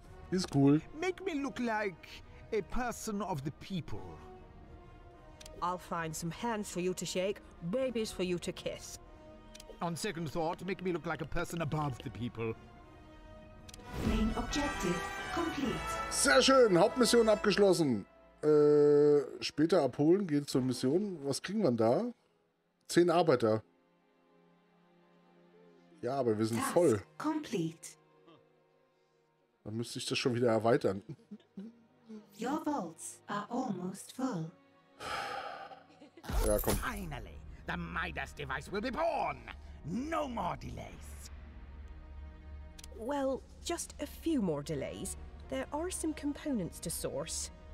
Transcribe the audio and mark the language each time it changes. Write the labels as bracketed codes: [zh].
[de] Ist cool. [en] Make me look like a person of the people. I'll find some hands for you to shake, babies for you to kiss. On second thought, make me look like a person above the people. Main objective. [de] Sehr schön, Hauptmission abgeschlossen. Später abholen, geht zur Mission. Was kriegen wir da? 10 Arbeiter. Ja, aber wir sind voll. Dann müsste ich das schon wieder erweitern. [en] Your vaults are almost full. [de] Ja, komm. [en] Finally, the Midas device will be born. No more delays. Well, just a few more delays. There are some components to source.